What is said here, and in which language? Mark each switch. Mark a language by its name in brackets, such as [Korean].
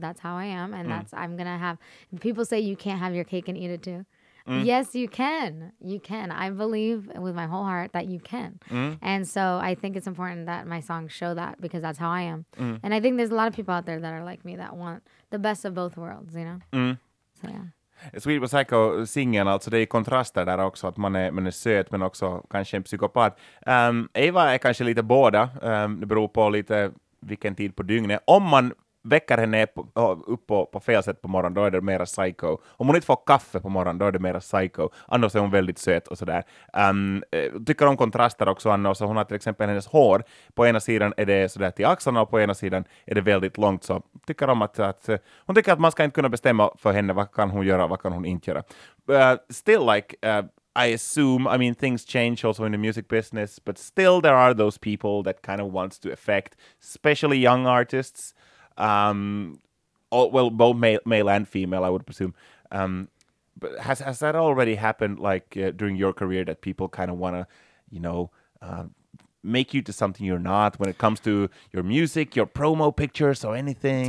[English] That's how I am. And that's, I'm going to have, people say you can't have your cake and eat it too. Yes, you can. You can. I believe with my whole heart that you can. And so I think it's important that my songs show that because that's how I am. And I think there's a lot of people out there that are like me that want the best of both worlds, you know? So, yeah. [Swedish] Sweet but Psycho singen, alltså det är kontraster där också, att man är söt men också kanske en psykopat. Eva är kanske lite båda, det beror på lite vilken tid på dygnet. Om man väcker henne upp på fel sätt på morgonen, då är det mera psycho. Om hon inte får kaffe på morgonen, då är det mera psycho. Annars är hon väldigt söt och sådär. Tycker om kontraster också, annars. Hon har till exempel hennes hår. På ena sidan är det sådär till axlarna och på ena sidan är det väldigt långt. Så tycker om att hon tycker att man ska inte kunna bestämma för henne vad kan hon göra och vad kan hon inte göra. [English] Still like, I assume, I mean, things change also in the music business, but still there are those people that kind of wants to affect, especially young artists. Both male and female, I would presume. But has that already happened, like during your career, that people kind of want to, you know, make you to something you're not when it comes to your music, your promo pictures, or anything?